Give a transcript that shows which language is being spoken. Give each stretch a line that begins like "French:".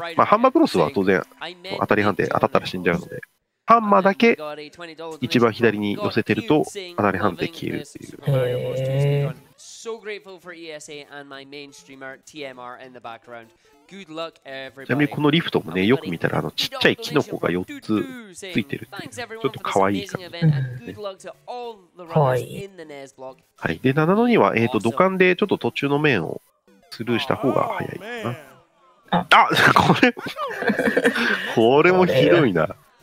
Japanese: まあ、ハンマーブロスは当然当たり判定当たったら死んじゃうので、ハンマーだけ一番左に寄せてると当たり判定消えるっていう。
English: So grateful for ESA and my main streamer TMR in the background. Good luck, everybody.
Japanese: ちなみにこのリフトもね、よく見たらあのちっちゃいキノコが4つついてるっていう、ちょっとかわいい感じ、ね。かわいい。はい。で、7のには、土管でちょっと途中の面をスルーした方が早いかな。あ、これ、これもひどいな。